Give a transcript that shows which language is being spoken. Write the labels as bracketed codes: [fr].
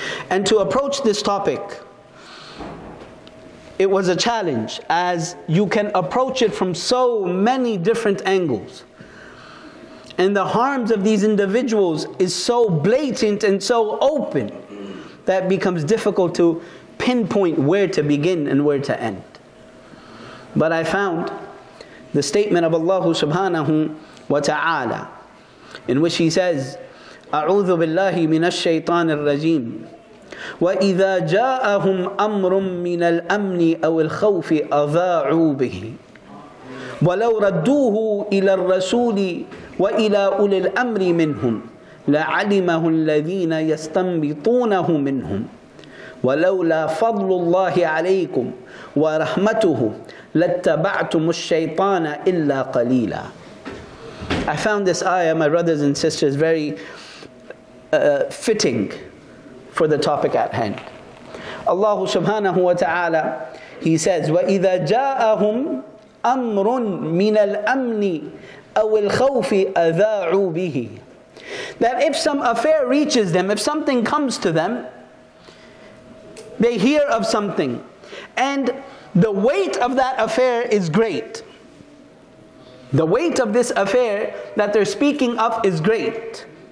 [en] And to approach this topic, it was a challenge, as you can approach it from so many different angles. And the harms of these individuals is so blatant and so open that it becomes difficult to pinpoint where to begin and where to end. But I found the statement of Allah subhanahu wa ta'ala in which He says, [ar] أَعُوذُ بِاللَّهِ مِنَ الشَّيْطَانِ الرَّجِيمِ وَإِذَا جَاءَهُمْ أَمْرٌ مِّنَ الْأَمْنِ أَوِ الْخَوْفِ أَذَاعُوا بِهِ وَلَوْ رَدُّوهُ إِلَى الرَّسُولِ وَإِلَى أُولِي الْأَمْرِ مِنْهُمْ لَعَلِمَهُ الَّذِينَ يَسْتَنْبِطُونَهُ مِنْهُمْ وَلَوْلَا فَضْلُ اللَّهِ عَلَيْكُمْ وَرَحْمَتُهُ لَاتَّبَعْتُمُ الشَّيْطَانَ إِلَّا قَلِيلًا. [en] I found this ayah, my brothers and sisters, very fitting for the topic at hand. Allah subhanahu wa ta'ala, He says, [ar] وَإِذَا جَاءَهُمْ أَمْرٌ مِّنَ الْأَمْنِ أَوِ الْخَوْفِ أَذَاعُوا بِهِ. [en] That if some affair reaches them, if something comes to them, they hear of something, and the weight of that affair is great. The weight of this affair that they're speaking of is great.